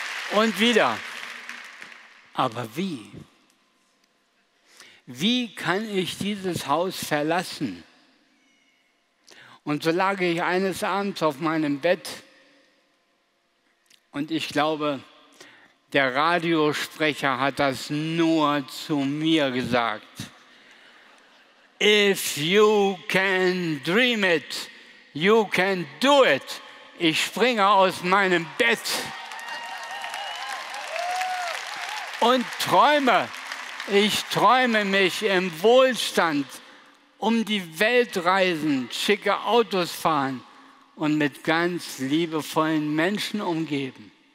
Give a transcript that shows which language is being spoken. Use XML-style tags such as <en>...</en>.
<de>und wieder. Aber wie? Wie kann ich dieses Haus verlassen? Und so lag ich eines Abends auf meinem Bett und ich glaube, der Radiosprecher hat das nur zu mir gesagt.</de> <en>If you can dream it, you can do it.</en> <de>Ich springe aus meinem Bett und träume. Ich träume mich im Wohlstand, um die Welt reisen, schicke Autos fahren und mit ganz liebevollen Menschen umgeben.</de>